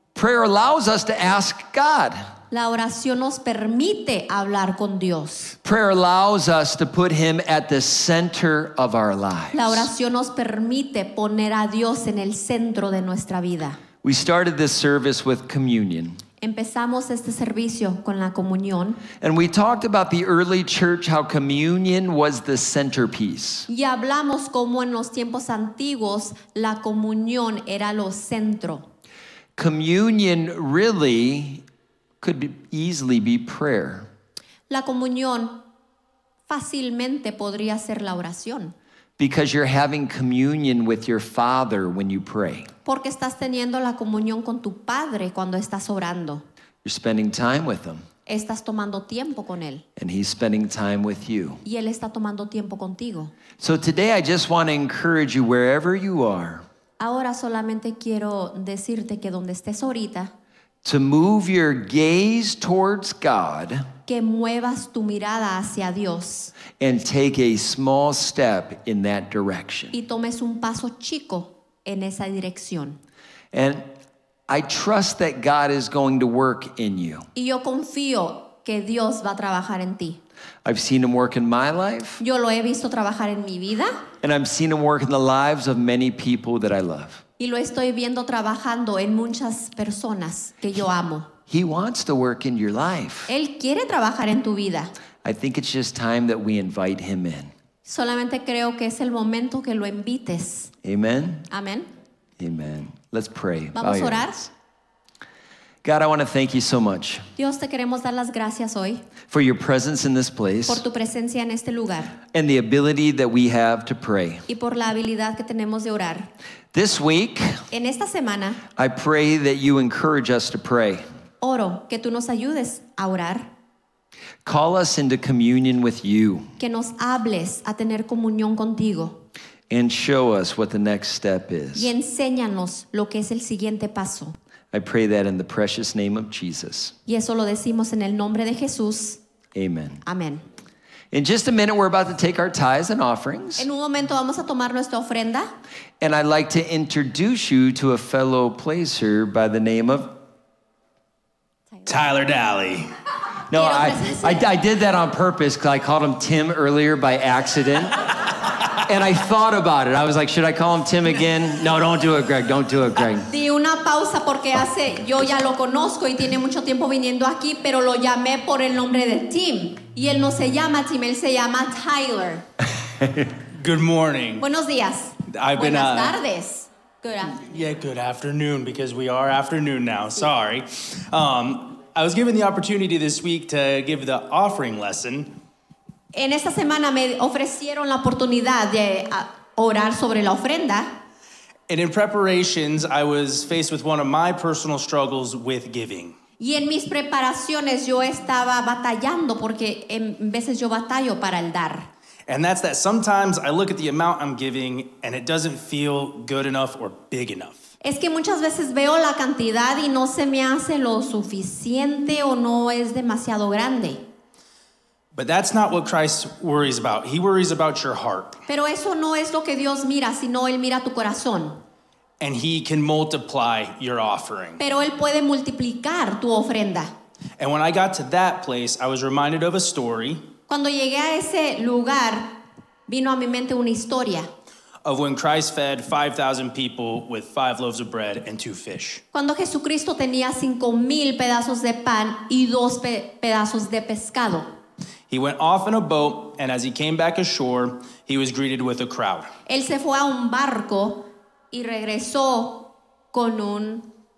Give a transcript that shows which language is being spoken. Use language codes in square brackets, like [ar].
[en] Prayer allows us to ask God. [es] La oración nos permite hablar con Dios. [en] Prayer allows us to put him at the center of our lives. [es] La oración nos permite poner a Dios en el centro de nuestra vida. [en] We started this service with communion. [es] Empezamos este servicio con la comunión. [en] And we talked about the early church, how communion was the centerpiece. [es] Y hablamos cómo en los tiempos antiguos la comunión era lo centro. [en] Communion really could easily be prayer. [es] La comunión fácilmente podría ser la oración. [en] Because you're having communion with your Father when you pray. [es] Porque estás teniendo la comunión con tu Padre cuando estás orando. [en] You're spending time with him. [es] Estás tomando tiempo con él. [en] And he's spending time with you. [es] Y él está tomando tiempo contigo. [en] So today I just want to encourage you wherever you are. [es] Ahora solamente quiero decirte que donde estés ahorita, [en] to move your gaze towards God, [es] que muevas tu mirada hacia Dios, [en] and take a small step in that direction. [es] Y tomes un paso chico en esa dirección. [en] And I trust that God is going to work in you. [es] Y yo confío que Dios va a trabajar en ti. [en] I've seen him work in my life. [es] Yo lo he visto trabajar en mi vida. [en] And I've seen him work in the lives of many people that I love. [es] Y lo estoy viendo trabajando en muchas personas que yo amo. [en] He wants to work in your life. [es] Él quiere trabajar en tu vida. [en] I think it's just time that we invite him in. [es] Solamente creo que es el momento que lo invites. [en] Amen. [es] Amen. [en] Amen. Let's pray. [es] Vamos a orar. [en] God, I want to thank you so much. [es] Dios, te queremos dar las gracias hoy. [en] For your presence in this place. [es] Por tu presencia en este lugar. [en] And the ability that we have to pray. [es] Y por la habilidad que tenemos de orar. [en] This week, [es] en esta semana, [en] I pray that you encourage us to pray. [es] Oro que tú nos ayudes a orar. [en] Call us into communion with you. [es] Que nos hables a tener comunión contigo. [en] And show us what the next step is. [es] Y enséñanos lo que es el siguiente paso. [en] I pray that in the precious name of Jesus. [es] Y eso lo decimos en el nombre de Jesús. [en] Amen. [es] Amen. [en] In just a minute, we're about to take our tithes and offerings. [es] En un momento vamos a tomar nuestra ofrenda. [en] And I'd like to introduce you to a fellow placer by the name of Tyler Daly. No, I did that on purpose because I called him Tim earlier by accident. And I thought about it. I was like, should I call him Tim again? No, don't do it, Greg. Don't do it, Greg. [es] Di una pausa porque hace, yo ya lo conozco y tiene mucho tiempo viniendo aquí, pero lo llamé por el nombre de Tim. Y él no se llama Tim, él se llama Tyler. [en] Good morning. [es] Buenos días. [en] I've been, [es] Buenas tardes. [en] Good afternoon. Yeah, good afternoon, because we are afternoon now. Sí. Sorry. I was given the opportunity this week to give the offering lesson. [es] En esta semana me ofrecieron la oportunidad de orar sobre la ofrenda. [en] And in preparations, I was faced with one of my personal struggles with giving. [es] Y en mis preparaciones yo estaba batallando porque en veces yo batallo para el dar. [en] And that's that sometimes I look at the amount I'm giving and it doesn't feel good enough or big enough. [es] Es que muchas veces veo la cantidad y no se me hace lo suficiente o no es demasiado grande. [en] But that's not what Christ worries about. He worries about your heart. [es] Pero eso no es lo que Dios mira, sino él mira tu corazón. [en] And he can multiply your offering. [es] Pero él puede multiplicar tu ofrenda. [en] And when I got to that place, I was reminded of a story. [es] Cuando llegué a ese lugar, vino a mi mente una historia. [en] Of when Christ fed 5,000 people with 5 loaves of bread and 2 fish. [es] Cuando Jesucristo tenía 5,000 pedazos de pan y 2 pedazos de pescado. [en] He went off in a boat, and as he came back ashore, he was greeted with a crowd. [es] Él se fue a un barco y regresó con un...